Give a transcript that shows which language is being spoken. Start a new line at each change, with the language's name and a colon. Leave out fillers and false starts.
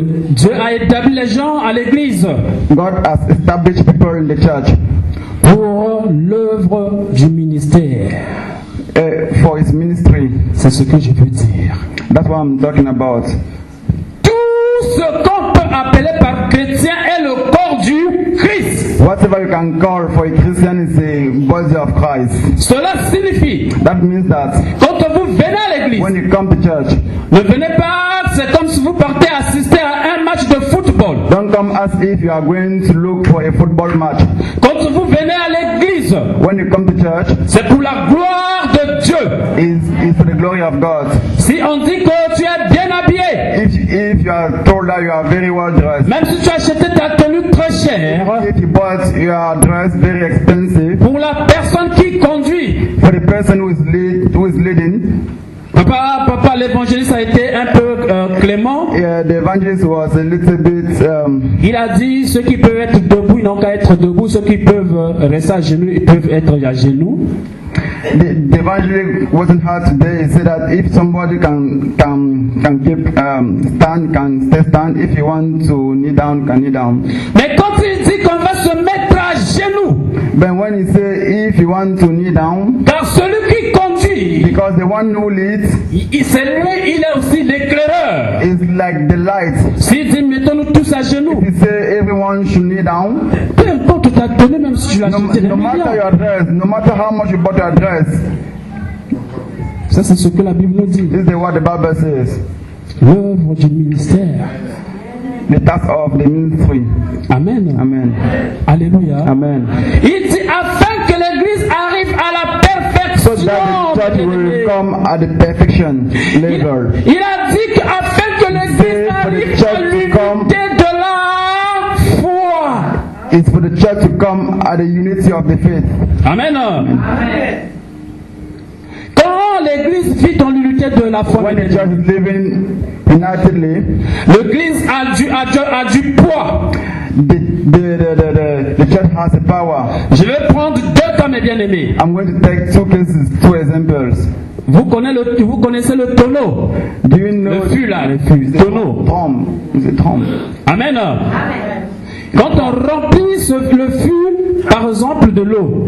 French: Dieu a établi les gens à l'église.
English: God has established people in the church.
French: Pour l'œuvre du ministère.
English: For his ministry.
French: C'est ce que je veux dire.
English: That's what I'm talking about.
French: Tout ce qu'on peut appeler par chrétien est le corps du Christ.
English: Whatever you can call for a Christian is the body of Christ.
French: Cela signifie.
English: That means that.
French: Quand vous venez à l'église.
English: When you come to church.
French: Ne venez pas, c'est comme si vous partez assister à un match de football.
English: Don't come as if you are going to look for a football match.
French: Quand vous venez à l'église.
English: When you come to church.
French: C'est pour la gloire de Dieu.
English: Is for the glory of God.
French: Si on dit que tu es bien habillé.
English: If you are told that you are very well dressed.
French: Même si tu as acheté ta tenue très chère.
English: If you bought your dress very expensive.
French: Pour la personne qui conduit.
English: For the person who is leading.
French: Papa, l'évangéliste a été un peu clément.
English: Yeah, the evangelist was a little bit.
French: Il a dit ceux qui peuvent être debout n'ont qu'à être debout, ceux qui peuvent rester à genoux ils peuvent être à genoux.
English: The evangelist wasn't hard today. He said that if somebody can keep stand, can stay stand. If you want to kneel down, can kneel down.
French: Mais quand il dit qu'on va se mettre à genoux.
English: But when he say if you want to kneel down.
French: Car celui qui conduit.
English: Because the one who leads.
French: Il est aussi l'éclaireur.
English: Is like the light.
French: Si il dit mettons-nous tous à genoux.
English: If he say everyone should kneel down.
French: Peu importe ta tenue, même si tu l'as acheté.
English: No matter your dress, no matter how much you bought your dress.
French: Ça c'est ce que la Bible nous dit.
English: This is what the Bible says.
French: L'œuvre du ministère.
English: The task of the ministry. Amen. Amen. Alléluia. Amen.
French: Il dit afin que l'église arrive à la perfection.
English: So that the church will come at the perfection level.
French: Il a dit que afin que l'église arrive à de la foi.
English: It's for the church to come at the unity of the faith. Amen. Amen.
French: Quand l'église vit dans l'unité de la foi.
English: When the church is living.
French: L'église a du poids.
English: The church has a power.
French: Je vais prendre deux cas, mes bien-aimés.
English: I'm going to take two cases, two examples.
French: Vous connaissez le tonneau.
English: Do you know
French: le fût là, le fût, le tonneau. Trompe. Amen. Amen. Quand on remplit le fût, par exemple, de l'eau.